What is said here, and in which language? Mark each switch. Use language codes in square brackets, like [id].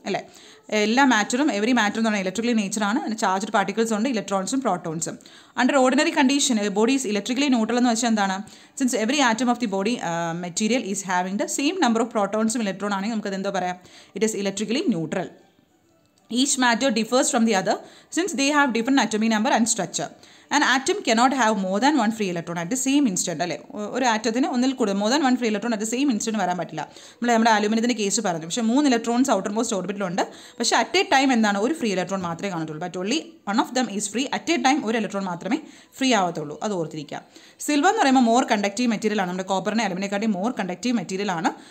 [ml] അല്ലേ, എല്ലാ മാറ്ററും, every matter എന്ന് പറഞ്ഞാൽ ഇലക്ട്രിക്കലി നേച്ചറാണ്, അതിന് ചാർജ്ഡ് പാർട്ടിക്കിൾസ് ഉണ്ട്, ഇലക്ട്രോൺസും പ്രോട്ടോൺസും. [en] under ordinary condition body is electrically neutral [ml] എന്ന് വെച്ചാൽ എന്താണ്, [en] since every atom of the body material is having the same number of പ്രോട്ടോൺസും electron [ml] ആണെങ്കിൽ നമുക്കത് എന്തോ പറയാം, [en] It is electrically neutral. Each matter differs from the other since they have different atomic number and structure. An atom cannot have more than one free electron at the same instant. [ml] അല്ലേ, ഒരു ആറ്റത്തിന് ഒന്നിൽ കൂടുതൽ, [en] more than one free electron at the same instant [ml] വരാൻ പറ്റില്ല. നമ്മുടെ അലുമിനിയത്തിൻ്റെ case പറഞ്ഞു, പക്ഷേ 3 electrons outer most ഓർബിറ്റിലുണ്ട്. പക്ഷേ അറ്റ് എ ടൈം എന്താണ്, ഒരു ഫ്രീ ഇലക്ട്രോൺ മാത്രമേ കാണത്തുള്ളൂ. [en] but only one of them is free, [ml] at A time ഒരു ഇലക്ട്രോൺ മാത്രമേ ഫ്രീ ആവത്തുള്ളൂ. അത് ഓർത്തിരിക്കുക. സിൽവർ എന്ന് പറയുമ്പോൾ മോർ കണ്ടക്റ്റീവ് മെറ്റീരിയൽ ആണ്, നമ്മുടെ കോപ്പറിനെ അലുമിനിയേക്കാട്ടി മോർ കണ്ടക്റ്റീവ് മെറ്റീരിയൽ ആണ്.